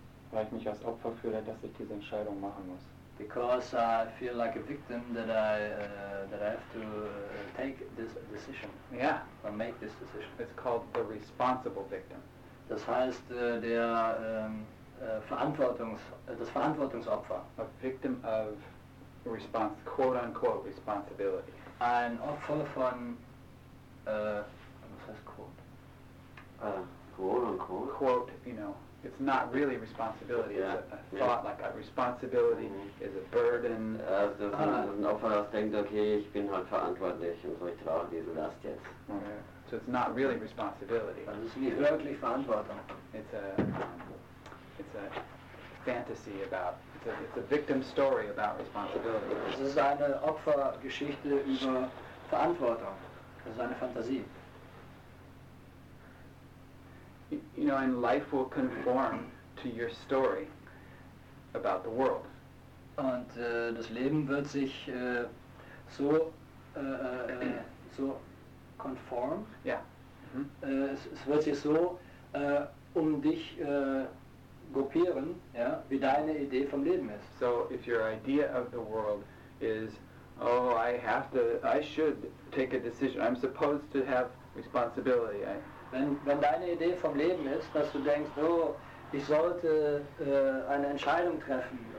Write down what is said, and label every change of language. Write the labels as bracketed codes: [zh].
[de] Weil ich mich als Opfer fühle, dass ich diese Entscheidung machen muss. [en] Because I feel like a victim that I have to take this decision. Yeah. Or make this decision. It's called the responsible victim. [de] Das heißt das Verantwortungsopfer. [en] A victim of response, quote unquote, responsibility. [de] Ein Opfer von was heißt quote? [en] Quote unquote. Quote, you know, it's not really responsibility, it's a thought, like a responsibility is a burden. [de] Also ein Opfer, das denkt, okay, ich bin halt verantwortlich und so, ich trage diese Last jetzt. [en] Okay. So it's not really responsibility. [de] Das ist nicht wirklich Verantwortung. [en] It's a fantasy about, it's a victim story about responsibility. [de] Es ist eine Opfergeschichte über Verantwortung. Das ist eine Fantasie. [en] You know, and life will conform to your story about the world. [de] Und das Leben wird sich so conform. [en] Yeah. [de] Es wird sich so um dich gruppieren, ja, wie deine Idee vom Leben ist. [en] So if your idea of the world is, oh, I have to, I should take a decision. I'm supposed to have responsibility. [de] Wenn deine Idee vom Leben ist, dass du denkst, oh, ich sollte eine Entscheidung treffen